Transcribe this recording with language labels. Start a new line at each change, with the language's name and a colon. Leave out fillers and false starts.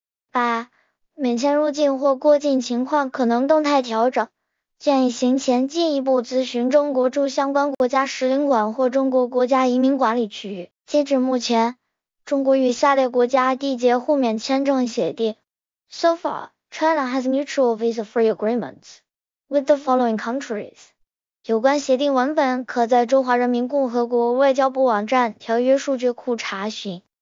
Chinese: 八、免签入境或过境情况可能动态调整，建议行前进一步咨询中国驻相关国家使领馆或中国国家移民管理局。截止目前，中国与下列国家缔结互免签证协定。
English: So far, China has mutual visa-free agreements with the following countries.
Chinese: 有关协定文本可在中华人民共和国外交部网站条约数据库查询。